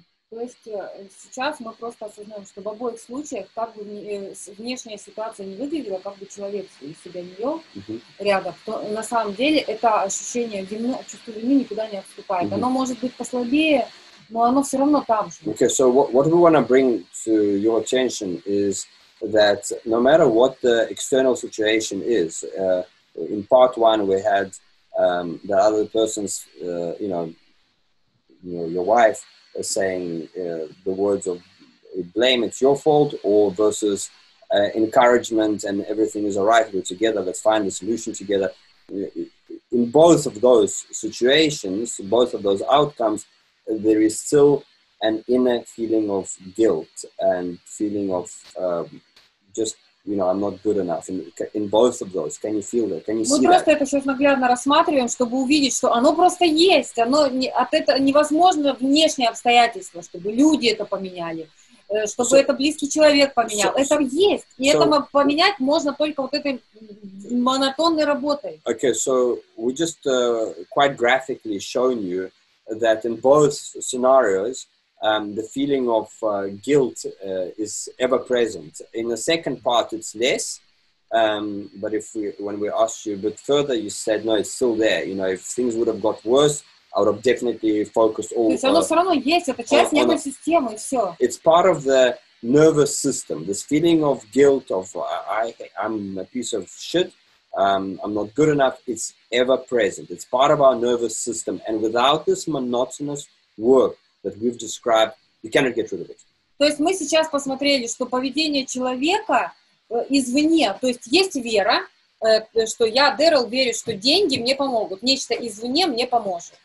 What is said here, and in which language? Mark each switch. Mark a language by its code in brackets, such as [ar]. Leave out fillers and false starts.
[ru] То есть сейчас мы просто осознаем, что в обоих случаях, как бы внешняя ситуация не выглядела, как бы человек себя не вел рядом, то на самом деле это ощущение вины, чувство вины никуда не отступает. Оно может быть послабее, но оно все равно там же. [en] Okay, so what we want to bring to your attention is that no matter what the external situation is, in part one we had the other person's, you know, your wife saying the words of blame, it's your fault, or versus encouragement and everything is all right, we're together, let's find a solution together. In both of those situations, both of those outcomes, there is still an inner feeling of guilt and feeling of... just you know, I'm not good enough in both of those. Can you feel that? Can you see that? [ru] Мы просто это сейчас наглядно рассматриваем, чтобы увидеть, что оно просто есть. Оно не, от этого невозможно внешние обстоятельства, чтобы люди это поменяли, чтобы это близкий человек поменял. Это есть. И это поменять можно только вот этой монотонной работой. [en] Okay, so we just quite graphically shown you that in both scenarios, the feeling of guilt is ever present. In the second part, it's less. But if we, when we asked you a bit further, you said no, it's still there. You know, if things would have got worse, I would have definitely focused all. It's part of the nervous system. This feeling of guilt of I'm a piece of shit. I'm not good enough. It's ever present. It's part of our nervous system. And without this monotonous work that we've described, we cannot get rid of it. [ru] То есть мы сейчас посмотрели, что поведение человека извне, то есть есть вера, что я, Дэрил, верю, что деньги мне помогут, нечто извне мне поможет.